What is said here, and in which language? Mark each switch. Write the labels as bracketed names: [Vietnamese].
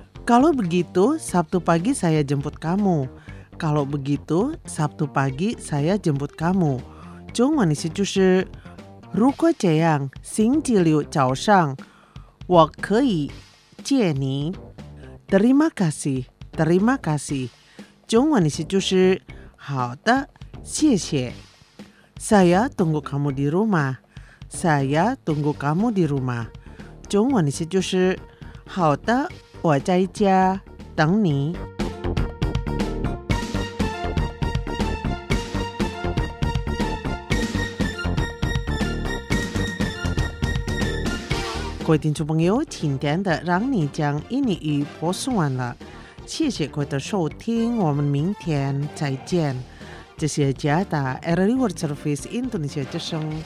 [Indonesian] Kalau begitu, Sabtu pagi saya jemput kamu. Kalau begitu, Sabtu pagi saya jemput kamu. [Chinese] 中文意思就是，如果这样，星期六早上，我可以接你。 [Indonesian] Terima kasih, terima kasih. [Chinese] 中文意思就是，好的，谢谢。 [Indonesian] Saya tunggu kamu di rumah. Saya tunggu kamu di rumah. [Chinese] 中文意思就是，好的，我在家等你。各位听众朋友，今天的让你讲印尼语播送完了，谢谢各位的收听，我们明天再见。这是佳达 RRI World Service Indonesia 之声。